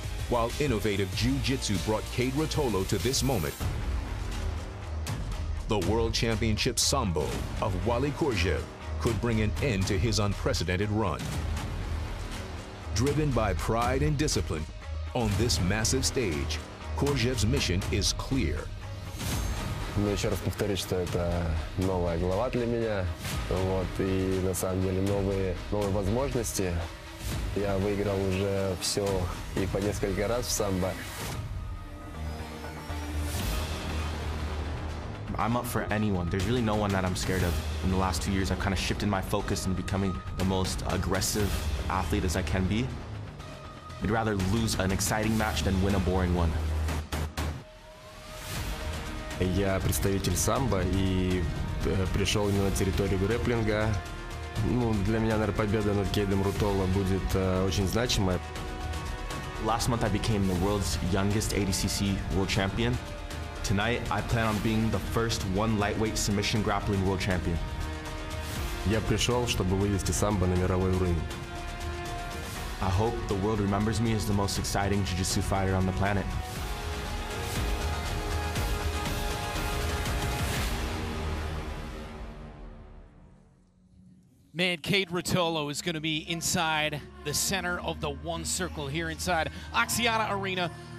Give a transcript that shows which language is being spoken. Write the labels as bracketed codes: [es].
[en] While innovative jiu-jitsu brought Kade Ruotolo to this moment, the world championship sambo of Uali Kurzhev could bring an end to his unprecedented run. Driven by pride and discipline, on this massive stage, Kurzhev's mission is clear. [ru] Ну ещё раз повторюсь, что это новая глава для меня. Вот, и на самом деле новые возможности. Я выиграл уже всё и по несколько раз в самбо. [en] I'm up for anyone. There's really no one that I'm scared of. In the last 2 years, I've kind of shifted my focus into becoming the most aggressive athlete as I can be. I'd rather lose an exciting match than win a boring one. [ru] Я представитель самбо и пришел именно на территорию грэпплинга. Ну, для меня, наверное, победа над Кейдом Ruotolo будет очень значимая. [en] Last month I became the world's youngest ADCC world champion. Tonight I plan on being the first one lightweight submission grappling world champion. [ru] Я пришел, чтобы вывести самбо на мировой уровень. [en] I hope the world remembers me as the most exciting jiu-jitsu fighter on the planet. Man, Kade Ruotolo is going to be inside the center of the One Circle here inside Axiata Arena.